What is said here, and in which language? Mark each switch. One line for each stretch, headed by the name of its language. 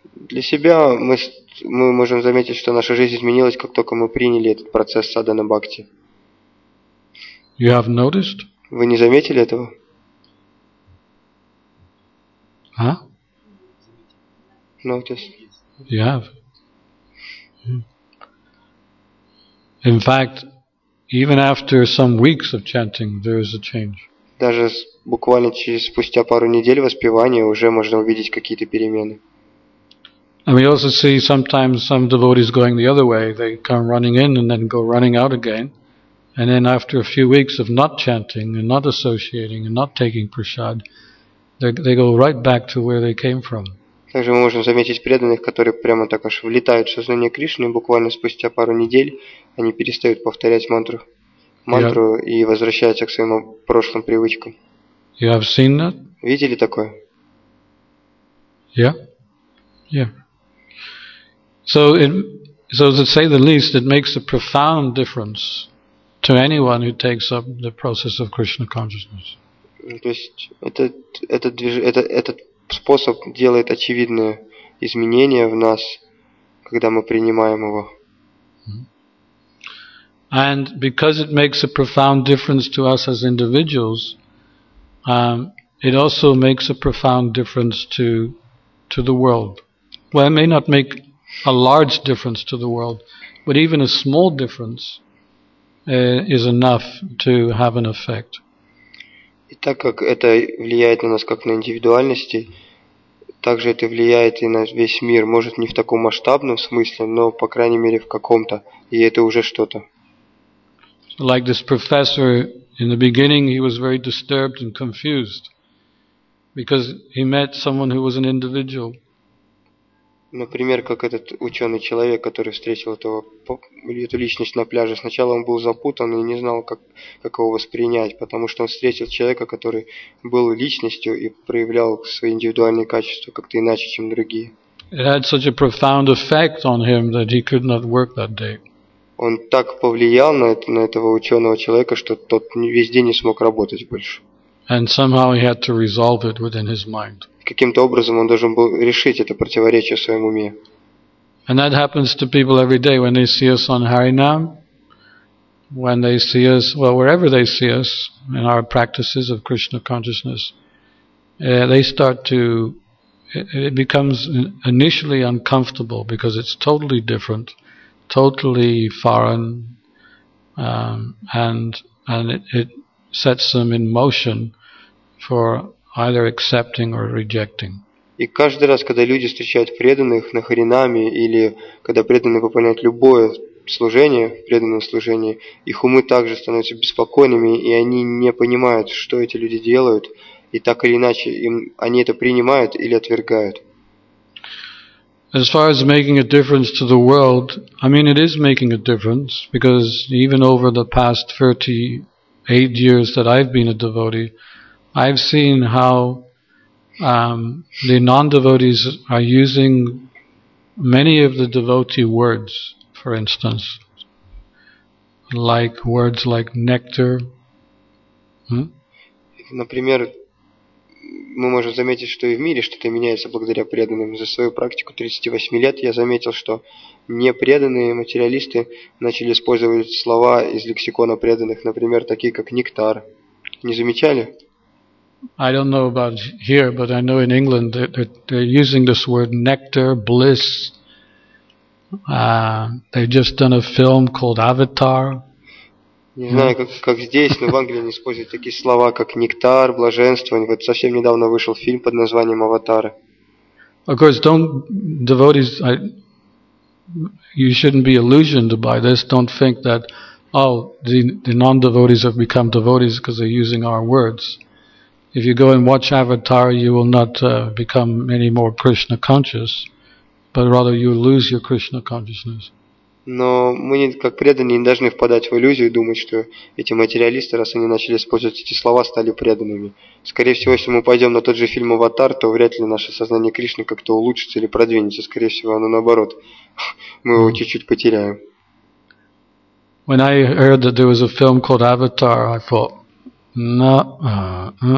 Russian: Для себя мы можем заметить, что наша жизнь изменилась, как только мы приняли этот процесс садхана бхакти.
English: You have noticed?
Russian: Вы не заметили этого? А?
English: Noticed. You have. In fact, even after some weeks of chanting, there is a change.
Russian: Даже буквально через спустя пару недель воспевания уже можно увидеть какие-то перемены.
English: And we also see sometimes some devotees going the other way. They come running in and then go running out again. And then after a few weeks of not chanting and not associating and not taking prasad, they go right back to where they came from.
Russian: Также мы можем заметить преданных, которые прямо так аж влетают в сознание Кришны, буквально спустя пару недель они перестают повторять мантру и возвращаются к своим прошлым привычкам.
English: You have seen that?
Russian: Видели такое?
English: Yeah. Yeah. So to say the least, it makes a profound difference to anyone who takes up the process of Krishna consciousness.
Russian: То есть этот способ делает очевидные изменения в нас, когда мы принимаем его.
English: And because it makes a profound difference to us as individuals, it also makes a profound difference to the world. Well, it may not make a large difference to the world, but even a small difference is enough to have an effect.
Russian: И так как это влияет на нас как на индивидуальности, также это влияет и на весь мир, может не в таком масштабном смысле, но по крайней мере в каком-то, и это уже что-то.
English: Like this professor, in the beginning he was very disturbed and confused because he met someone who was an individual.
Russian: Например, как этот ученый человек, который встретил эту личность на пляже. Сначала он был запутан и не знал, как его воспринять, потому что он встретил человека, который был личностью и проявлял свои индивидуальные качества как-то иначе, чем другие.
English: It had such a profound effect on him that he could not work that day.
Russian: Он так повлиял на этого ученого человека, что тот весь день не смог работать больше.
English: And somehow he had to resolve it within his mind.
Russian: Каким-то образом он должен был решить это противоречие в своем уме.
English: And that happens to people every day when they see us on Harinam, when they see us, well, wherever they see us in our practices of Krishna consciousness, they start to, it becomes initially uncomfortable because it's totally different, totally foreign, and it sets them in motion for either accepting or rejecting.
Russian: И каждый раз, когда люди встречают преданных на харинаме или когда преданные выполняют любое служение, преданное служение, их умы также становятся беспокойными, и они не понимают, что эти люди делают, и так или иначе они это принимают или отвергают.
English: As far as making a difference to the world, I mean, it is making a difference, because even over the past 38 years that I've been a devotee, I've seen how the non-devotees are using many of the devotee words, for instance, like words like nectar.
Russian: Например, мы можем заметить, что и в мире что-то меняется благодаря преданным. За свою практику 38 лет я заметил, что непреданные материалисты начали использовать слова из лексикона преданных, например, такие как нектар. Не замечали?
English: I don't know about here, but I know in England they're using this word nectar, bliss. They've just done a film called Avatar.
Russian: Не знаю, как здесь, но в Англии они используют такие слова, как нектар, блаженство. Вот совсем недавно вышел фильм под названием «Аватар».
English: Of course, don't devotees, you shouldn't be illusioned by this. Don't think that, oh, the non-devotees have become devotees because they're using our words. If you go and watch Avatar, you will not become any more Krishna conscious, but rather you lose your Krishna consciousness.
Russian: Но мы как преданные не должны впадать в иллюзию и думать, что эти материалисты, раз они начали использовать эти слова, стали преданными. Скорее всего, если мы пойдем на тот же фильм «Аватар», то вряд ли наше сознание Кришны как-то улучшится или продвинется. Скорее всего, оно наоборот. Мы его чуть-чуть потеряем.
English: When I heard that there was a film called Avatar, I thought, no.